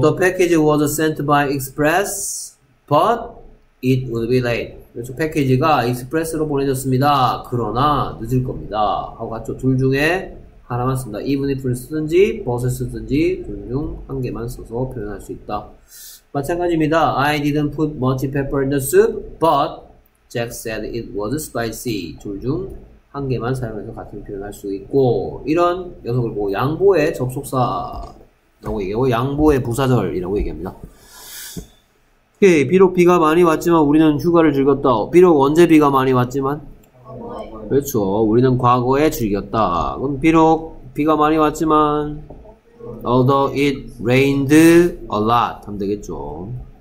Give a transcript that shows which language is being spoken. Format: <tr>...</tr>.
<en>The package was sent by express, but it would be late.</en> <ko>그래서 패키지가 익스프레스로 보내졌습니다. 그러나 늦을 겁니다. 하고 갔죠. 둘 중에 하나만 씁니다. Even if를 쓰든지, but을 쓰든지 둘 중 한 개만 써서 표현할 수 있다. 마찬가지입니다.</ko> <en>I didn't put much pepper in the soup, but Jack said it was spicy.</en> <ko>둘 중 한 개만 사용해서 같은 표현할 수 있고 이런 녀석을 보고 양보의 접속사라고 얘기하고 양보의 부사절이라고 얘기합니다. 오케이 비록 비가 많이 왔지만 우리는 휴가를 즐겼다 비록 언제 비가 많이 왔지만 그렇죠 우리는 과거에 즐겼다 그럼 비록 비가 많이 왔지만</ko> <en>although it rained a lot</en> <ko>하면 되겠죠</ko>